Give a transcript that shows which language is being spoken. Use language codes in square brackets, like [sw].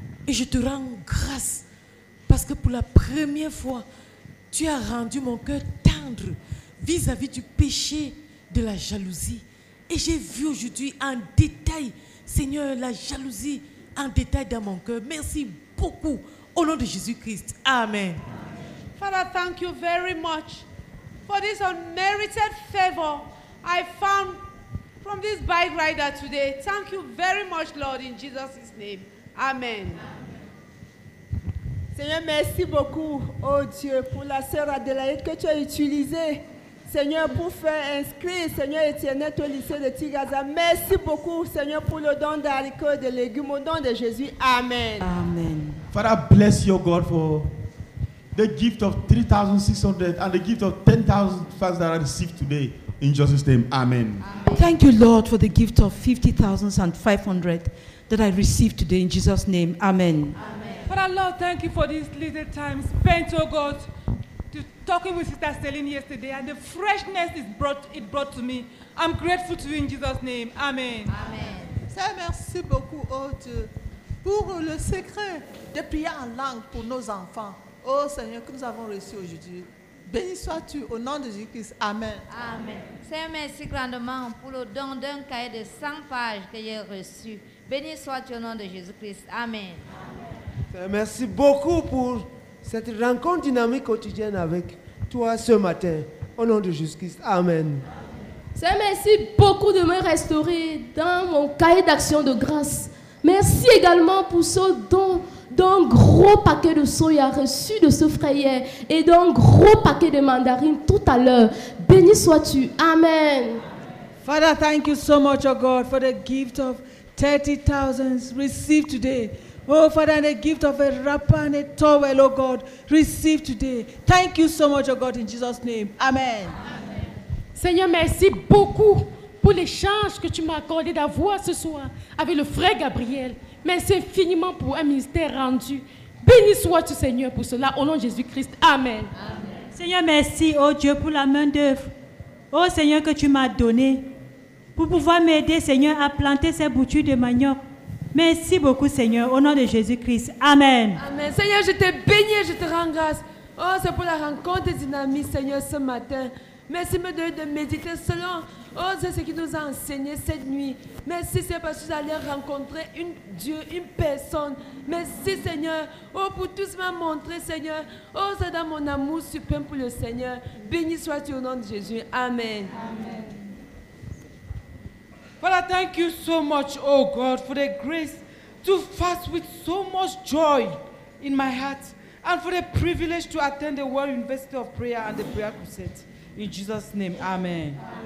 [fr] Et je te rends grâce parce que pour la première fois, tu as rendu mon cœur tendre vis-à-vis du péché de la jalousie. Et j'ai vu aujourd'hui en détail, Seigneur, la jalousie en détail dans mon cœur. Merci beaucoup au nom de Jésus-Christ. Amen. [en] Father, thank you very much for this unmerited favor I found from this bike rider today. Thank you very much, Lord, in Jesus' name. Amen. [fr] Seigneur, merci beaucoup, oh Dieu, pour la sœur Adélaïde que tu as utilisée, Seigneur, pour faire inscrire, Seigneur éternel, au lycée de Tigaza. Merci beaucoup, Seigneur, pour le don d'haricots et de légumes. Au nom de Jésus, amen. Amen. [en] Father, bless your God for the gift of 3,600 and the gift of 10,000 francs that I received today. In Jesus' name, amen. Thank you, Lord, for the gift of 50,500. That I receive today in Jesus' name. Amen. Amen. Father, Lord, thank you for this little time spent, oh God, to talking with Sister Celine yesterday and the freshness it brought to me. I'm grateful to you in Jesus' name. Amen. Amen. [fr] Seigneur, merci beaucoup, oh Dieu, pour le secret de prier en langue pour nos enfants. Oh Seigneur, que nous avons reçu aujourd'hui. Béni sois-tu au nom de Jésus-Christ. Amen. Amen. Seigneur, merci grandement pour le don d'un cahier de 100 pages que j'ai reçu. Béni sois-tu au nom de Jésus-Christ. Amen. Amen. Merci beaucoup pour cette rencontre dynamique quotidienne avec toi ce matin. Au nom de Jésus-Christ. Amen. Amen. Seigneur, merci beaucoup de me restaurer dans mon cahier d'action de grâce. Merci également pour ce don d'un gros paquet de soya reçu de ce frère et d'un gros paquet de mandarines tout à l'heure. Béni sois-tu. Amen. [en] Father, thank you so much, oh God, for the gift of 30,000 received today. Oh, Father, and the gift of a wrapper and a towel, oh God, received today. Thank you so much, oh God, in Jesus' name. Amen. Amen. [fr] Seigneur, merci beaucoup pour l'échange que tu m'as accordé d'avoir ce soir avec le frère Gabriel. Merci infiniment pour un ministère rendu. Béni sois-tu, Seigneur, pour cela, au nom de Jésus-Christ. Amen. Amen. Seigneur, merci, oh Dieu, pour la main d'œuvre. Oh Seigneur, que tu m'as donnée pour pouvoir m'aider, Seigneur, à planter ces boutures de manioc. Merci beaucoup, Seigneur, au nom de Jésus-Christ. Amen. Amen. Seigneur, je te bénis et je te rends grâce. Oh, c'est pour la rencontre dynamique, Seigneur, ce matin. Merci de méditer selon, oh, c'est ce qui nous a enseigné cette nuit. Merci, c'est parce que vous allez rencontrer une personne. Merci, Seigneur, oh, pour tout ce qui m'a montré, Seigneur. Oh, c'est dans mon amour suprême pour le Seigneur. Béni sois-tu au nom de Jésus. Amen. Amen. [en] Father, thank you so much, oh God, for the grace to fast with so much joy in my heart and for the privilege to attend the World University of Prayer and the Prayer Crusade. In Jesus' name, amen.